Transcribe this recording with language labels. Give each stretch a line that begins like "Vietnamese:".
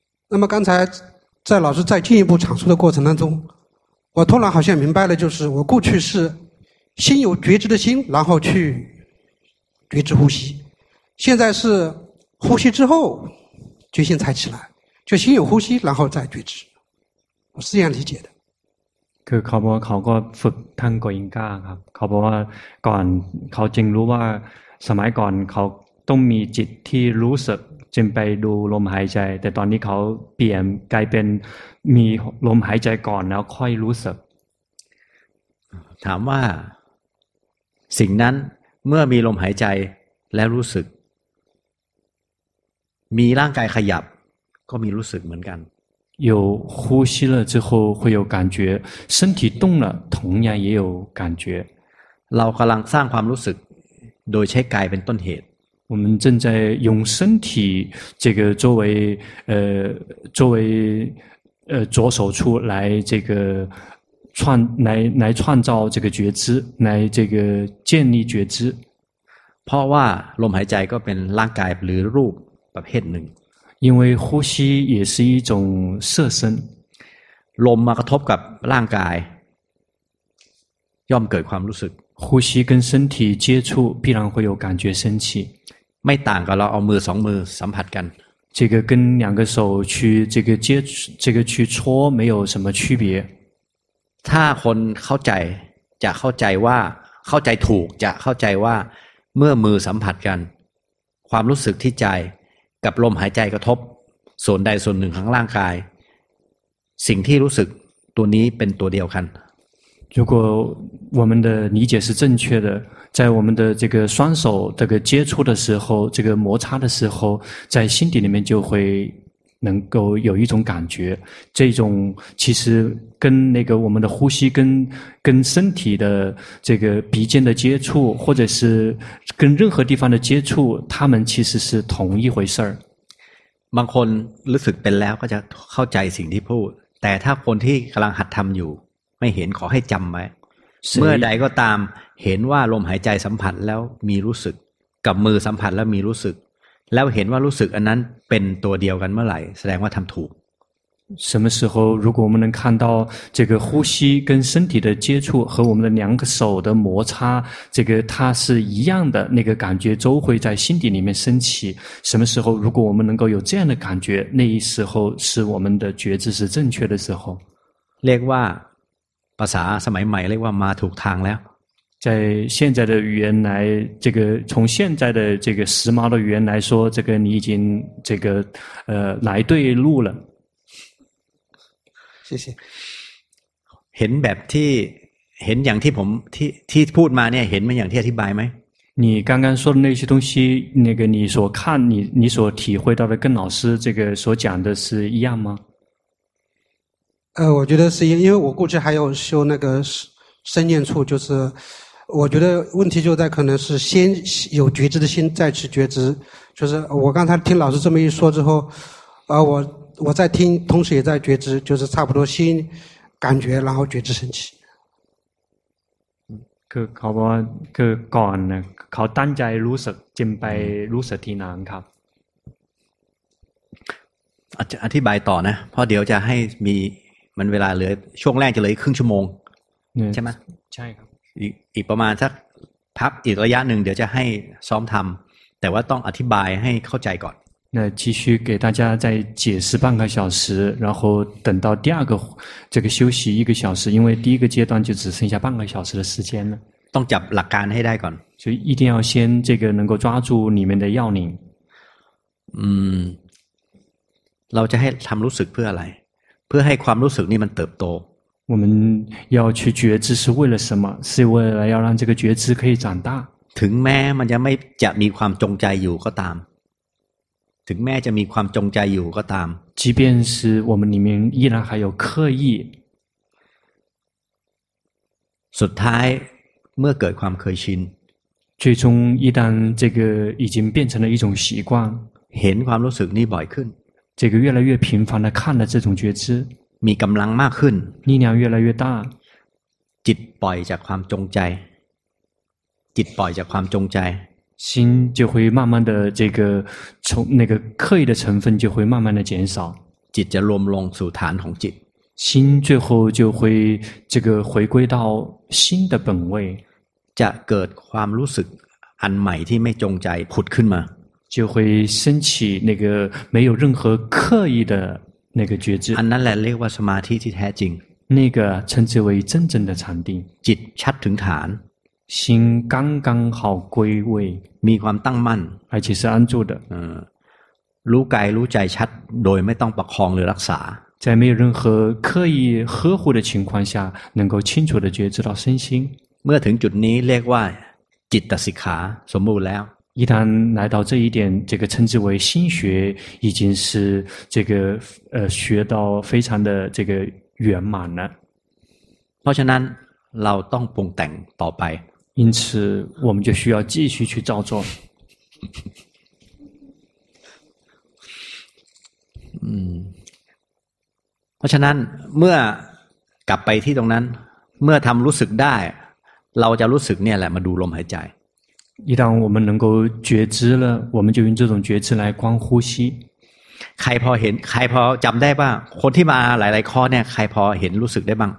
Chinese: 那么刚才在老师再进一步阐述的过程当中，我突然好像明白了，就是我过去是心有觉知的心，然后去觉知呼吸，现在是呼吸之后觉性才起来，就心有呼吸然后再觉知，我是这样理解的。
Thai: คือเขาบอกว่าเขาก็ฝึกทางกอยิงก้าครับเขาบอกว่าก่อนเขาจึงรู้ว่าสมัยก่อนเขาต้องมีจิตที่รู้สึกจึงไปดูลมหายใจแต่ตอนนี้เขาเปลี่ยนกลายเป็นมีลมหายใจก่อนแล้วค่อยรู้สึก ถามว่าสิ่งนั้นเมื่อมีลมหายใจแล้วรู้สึกมีร่างกายขยับก็มีรู้สึกเหมือนกัน
Chinese: 有呼吸了之后会有感觉，身体动了同样也有感觉。
Thai: เรากำลังสร้างความรู้สึกโดยใช้กายเป็นต้นเหตุ。
Chinese: 我们正在用身体这个作为作为着手处来这个创来创造这个觉知，来这个建立觉知。
Thai: เพราะว่าลมหายใจก็เป็นร่างกายหรือรูปประเภทหนึ่ง。
Chinese: 因为呼吸也是一种色身，
Thai: ลมมากระทบกับร่างกายย่อมเกิดความรู้สึก
Chinese: 呼吸跟身体接触必然会有感觉升起，
Thai: ไม่ต่างกับเราเอามือสองมือสัมผัสกัน
Chinese: 这个跟两个手去这个接这个去搓没有什么区别，
Thai: ถ้าคนเข้าใจจะเข้าใจว่าเข้าใจถูกจะเข้าใจว่าเมื่อมือสัมผัสกันความรู้สึกที่ใจกับลมหายใจกระทบส่วนใดส่วนหนึ่งของร่างกายสิ่งที่รู้สึกตัวนี้เป็นตัวเดียวกัน
Chinese: 如果我们的理解是正确的，在我们的这个双手这个接触的时候，这个摩擦的时候，在心底里面就会能够有一种感觉，这种其实跟那个我们的呼吸跟身体的这个鼻尖的接触，或者是跟任何地方的接触，他们其实是同一回事儿。
Thai: บางคนรู้สึกเป็นแล้วก็จะเข้าใจสิ่งที่พูดแต่ถ้าคนที่กำลังหัดทำอยู่ไม่เห็นขอให้จำไว้เมื่อใดก็ตามเห็นว่าลมหายใจสัมผัสแล้วมีรู้สึกกับมือสัมผัสแล้วมีรู้สึกแล้วเห็นว่ารู้สึกอันนั้นเป็นตัวเดียวกันเมื่อไหร่แสดงว่าทำถูก
Chinese: 什么时候如果我们能看到这个呼吸跟身体的接触和我们的两个手的摩擦这个它是一样的那个感觉都会在心底里面升起什么时候如果我们能够有这样的感觉那一时候是我们的觉知是正确的时候
Thai: เรียกว่าภาษาสมัยใหม่เรียกว่ามาถูกทางแล้ว
Chinese: 在现在的语言来这个从现在的这个时髦的语言来说这个你已经这个来对路了谢谢
Thai: เห็นแบบที่เห็นอย่างที่ผมที่พูดมาเนี่ยเห็นมันอย่างที่อธิบายไหม
Chinese: 你刚刚说的那些东西那个你所看你所体会到的跟老师这个所讲的是一样吗我觉得是因为我过去还有修那个身念处就是我觉得问题就在可能是先有觉知的心再去觉知就是我刚才听老师这么一说之后我在听同时也在觉知就是差不多心感觉然后觉知升起
Thai: คือเขาบอกว่าคือก่อนเขาตั้งใจรู้สึกจึงไปรู้สึกทีหลังครับ อธิบายต่อนะเพราะเดี๋ยวจะให้มีมันเวลาเหลือช่วงแรกจะเหลือครึ่งชั่วโมงใช่ไหม ใช่ครับ อีกประมาณสักพักอีกระยะหนึ่งเดี๋ยวจะให้ซ้อมทำแต่ว่าต้องอธิบายให้เข้าใจก่อน
Chinese: 那继续给大家再解释半个小时，然后等到第二个这个休息一个小时，因为第一个阶段就只剩下半个小时的时间了。
Thai: ต้องจับหลักการให้ได้ก่อน，
Chinese: 就一定要先这个能够抓住里面的要领。
Thai: เราจะให้ทำรู้สึกเพื่ออะไร？ เพื่อให้ความรู้สึกนี่มันเติบโต。
Chinese: 我们要去觉知是为了什么？是为了要让这个觉知可以长大。
Thai: ถึงแม้มันจะไม่จะมีความจงใจอยู่ก็ตามถึงแม้จะมีความจงใจอยู่ก็ตาม
Chinese: 即便是我们里面依然还有刻意
Thai: สุดท้ายเมื่อเกิดความเคยชิน
Chinese: 最终一旦这个已经变成了一种习惯
Thai: เห็นความรู้สึกนี้บ่อยขึ้น
Chinese: 这个越来越频繁的看了这种觉知，
Thai: มีกำลังมากขึ้น，
Chinese: 力量越来越大，
Thai: จิตปล่อยจากความจงใจ，จิตปล่อยจากความจงใจ，
Chinese: 心就会慢慢的这个从那个刻意的成分就会慢慢的减少，
Thai: จิตจะรวมลงสู่ฐานของจิต，
Chinese: 心最后就会这个回归到心的本位，
Thai: จะเกิดความรู้สึกอันใหม่ที่ไม่จงใจผุดขึ้นมา，
Chinese: 就会升起那个没有任何刻意的那个觉知。
Thai: อันนั้นแหละเรียกว่าสมาธิที่แท้จริง。
Chinese: 那个称之为真正的禅定。
Thai: จิตชัดถึงฐาน。
Chinese: 心刚刚好归位。
Thai: มีความตั้งมั่น。
Chinese: 而且是安住的。
Thai: รู้กายรู้ใจชัดโดยไม่ต้องประคองหรือรักษา。
Chinese: 在没有任何刻意呵护的情况下，能够清楚的觉知到身心。
Thai: เมื่อถึงจุดนี้เรียกว่าจิตตสิกขาสมบูรณ์แล้ว。
Chinese: 一旦来到这一点，这个称之为心学，已经是这个学到非常的这个圆满了。
Thai: เพราะฉะนั้นเราต้องปรุงแต่งต่อไป。
Chinese: 因此，我们就需要继续去照做。
Thai: เพราะฉะนั้นเมื่อกลับไปที่ตรงนั้นเมื่อทำรู้สึกได้เราจะรู้สึกเนี่ยแหละมาดูลมหายใจ
Chinese: 一旦我们能够觉知了，我们就用这种觉知来观呼吸。开跑很开跑，怎么带吧？昨天嘛，来来考呢，开跑很入手的嘛。